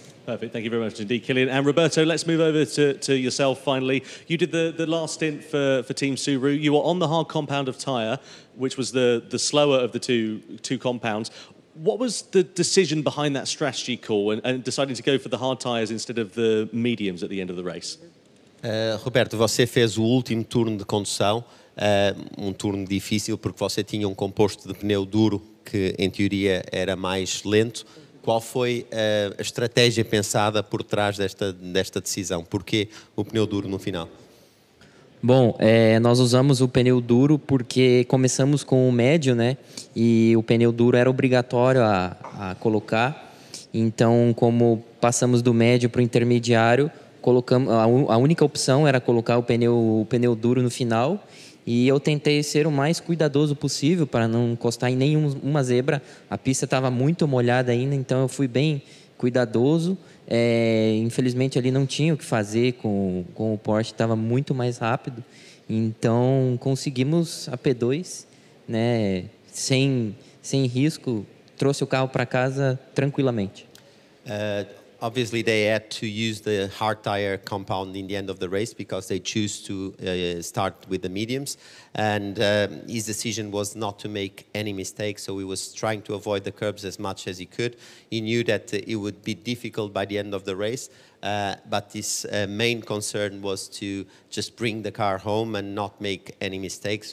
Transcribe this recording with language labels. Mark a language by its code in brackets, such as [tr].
[en] Perfect. Thank you very much indeed, Killian. And Roberto, let's move over to yourself. Finally, you did the last stint for Team Subaru. You were on the hard compound of tyre, which was the slower of the two compounds. What was the decision behind that strategy call and deciding to go for the hard tyres instead of the mediums at the end of the race? [pt] Roberto, você fez o último turno de condução, um turno difícil, porque você tinha um composto de pneu duro que, em teoria, era mais lento. Qual foi a estratégia pensada por trás desta decisão? Porquê o pneu duro no final? Bom, é, nós usamos o pneu duro porque começamos com o médio, né? E o pneu duro era obrigatório a colocar. Então, como passamos do médio para o intermediário, a única opção era colocar o pneu duro no final. E eu tentei ser o mais cuidadoso possível para não encostar em nenhuma zebra. A pista estava muito molhada ainda, então eu fui bem cuidadoso. É, infelizmente ali não tinha o que fazer com o Porsche, estava muito mais rápido. Então conseguimos a P2, né, sem risco, trouxe o carro para casa tranquilamente. [en] Obviously they had to use the hard tire compound in the end of the race because they chose to start with the mediums, and his decision was not to make any mistake, so he was trying to avoid the curbs as much as he could. He knew that it would be difficult by the end of the race, but his main concern was to just bring the car home and not make any mistakes.